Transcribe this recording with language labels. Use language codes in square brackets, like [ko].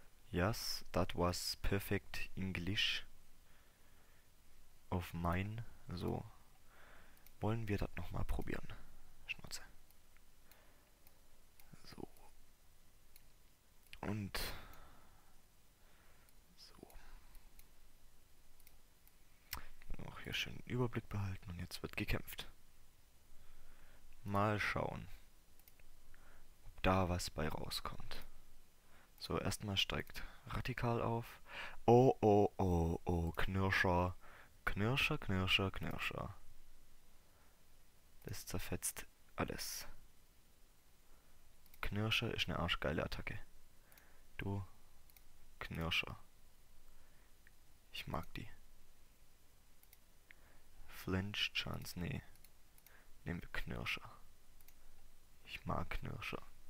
[en] Yes, that was perfect English of mine. [de] So. Wollen wir das nochmal probieren? Schnauze. Und. Auch hier schön den Überblick behalten und jetzt wird gekämpft. Mal schauen, ob da was bei rauskommt. So, erstmal steigt radikal auf. Oh, Knirscher. Knirscher, Knirscher, Knirscher. Das zerfetzt alles. Knirscher ist eine arschgeile Attacke. Du Knirscher. Ich mag die. Flinch Chance, nee. Nehmen wir Knirscher. Ich mag Knirscher.